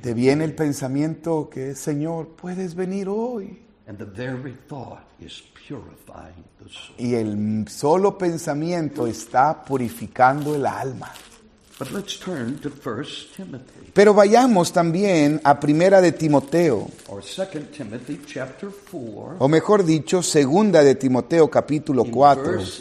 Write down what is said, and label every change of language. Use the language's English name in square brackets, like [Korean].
[Spanish] Te viene el pensamiento que, Señor, puedes venir hoy. [English] And the very thought is purifying the soul. [Spanish] Y el solo pensamiento está purificando el alma. [English] But let's turn to 1 Timothy. [Spanish] Pero vayamos también a Primera de Timoteo. [English] Or 2 Timothy chapter 4. [Spanish] O mejor dicho, Segunda de Timoteo capítulo 4.